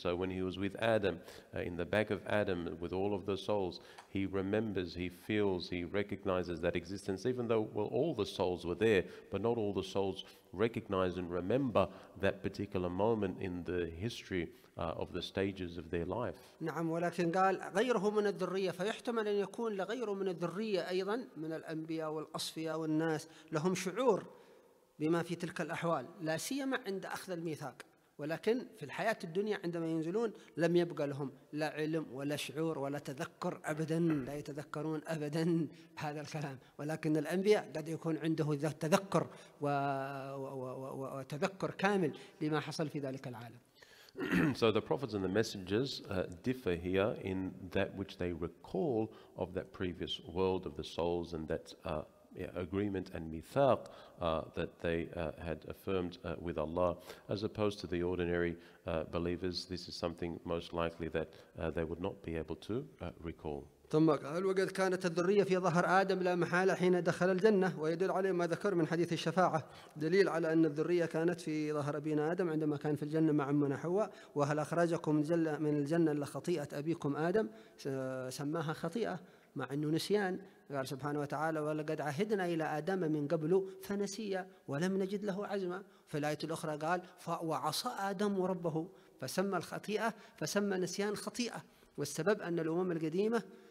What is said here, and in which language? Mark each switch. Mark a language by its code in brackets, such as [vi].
[en] So when he was with Adam, in the back of Adam, with all of the souls, he remembers, he feels, he recognizes that existence, even though, well, all the souls were there, but not all the souls recognize and remember that particular moment in the history of the stages of their life. [ar] نعم ولكن قال غيره من الذرية فيحتمل أن يكون لغيره من الذرية أيضا من الأنبياء والأصفياء والناس لهم شعور بما في تلك الأحوال لا سيما عند أخذ الميثاق ولكن في الحياة الدنيا عندما ينزلون لم يبقى لهم لا علم ولا شعور ولا تذكر أبدا لا يتذكرون أبدا هذا الكلام ولكن الأنبياء قد يكون عنده تذكر وتذكر كامل لما حصل في ذلك العالم. [en] So the prophets and the messengers differ here in that which they recall of that previous world of the souls and that agreement and mithaq that they had affirmed with Allah, as opposed to the ordinary believers. This is something most likely that they would not be able to recall. [ar] ثم قال وقد كانت الذرية في ظهر آدم لا محالة حين دخل الجنة ويدل عليه ما ذكر من حديث الشفاعة دليل على أن الذرية كانت في ظهر أبينا آدم عندما كان في الجنة مع أمنا حواء وهل أخرجكم من الجنة لخطيئة أبيكم آدم سماها خطيئة مع أنه نسيان قال سبحانه وتعالى ولقد عهدنا إلى آدم من قبل فنسي ولم نجد له عزما في الآية الأخرى قال فوعصى آدم ربه فسمى الخطيئة فسمى نسيان خطيئة والسبب أن الأمم القديمة